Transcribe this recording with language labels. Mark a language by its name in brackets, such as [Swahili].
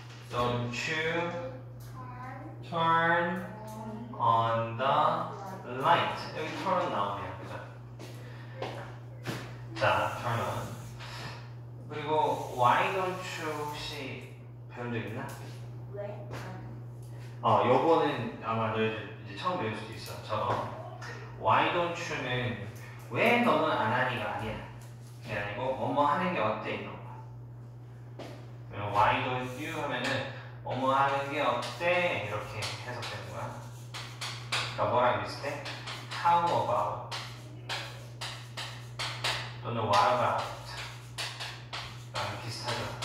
[English] don't you turn on the light? [Korean] 여기 turn on 나오네요. 그죠? 자, turn on. 그리고 why don't you 혹시 배운 적 있나? 왜? 요거는 아마 이제 처음 배울 수도 있어. 저거. Why don't you는 왜 너는 안 하니가 아니야. 그게 아니고 뭐뭐 하는 게 어때 이런 거. Why don't you 하면은 뭐뭐 하는 게 어때 이렇게 해석되는 거야. 그러니까 뭐랑 비슷해? How about 또는 what about 랑 비슷하죠.